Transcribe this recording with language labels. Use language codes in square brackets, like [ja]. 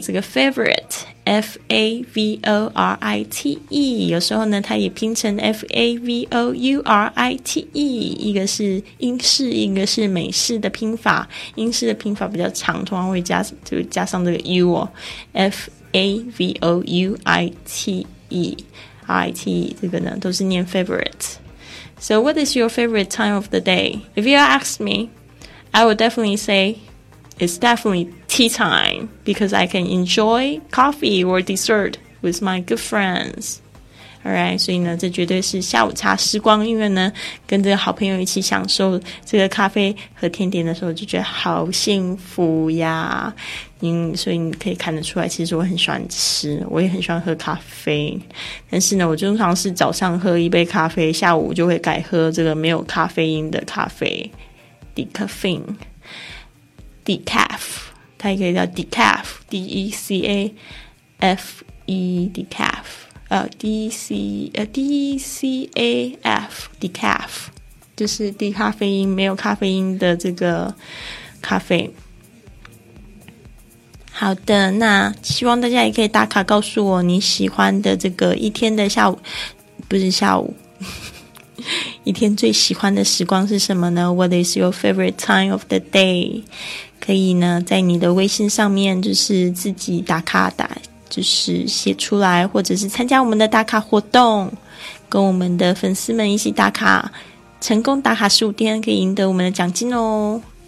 [zh] 这个 favorite F-A-V-O-R-I-T-E， 有时候呢它也拼成 F-A-V-O-U-R-I-T-E， 一个是英式一个是美式的拼法，英式的拼法比较长，通常会 加上这个 U 哦， F-A-V-O-U-I-T-E R-I-T-E， 这个呢都是念 favorite。 [en] So what is your favorite time of the day? If you ask me, I would definitely sayIt's definitely tea time because I can enjoy coffee or dessert with my good friends. Alright, [zh] 所以呢这绝对是下午茶时光，因为呢跟这个好朋友一起享受这个咖啡和甜点的时候就觉得好幸福呀。所以你可以看得出来其实我很喜欢吃，我也很喜欢喝咖啡。但是呢我通常是早上喝一杯咖啡，下午就会改喝这个没有咖啡因的咖啡 Decaffeine。 Decaf， 它也可以叫 Decaf， D-E-C-A-F-E Decaf， D-E-C-A-F Decaf， 就是低咖啡因没有咖啡因的这个咖啡。好的，那希望大家也可以打卡告诉我你喜欢的这个一天的下午，不是下午一天最喜欢的时光是什么呢？ [en] What is your favorite time of the day？ [zh] 可以呢在你的微信上面就是自己打卡打就是写出来，或者是参加我们的打卡活动，跟我们的粉丝们一起打卡，成功打卡15天可以赢得我们的奖金哦。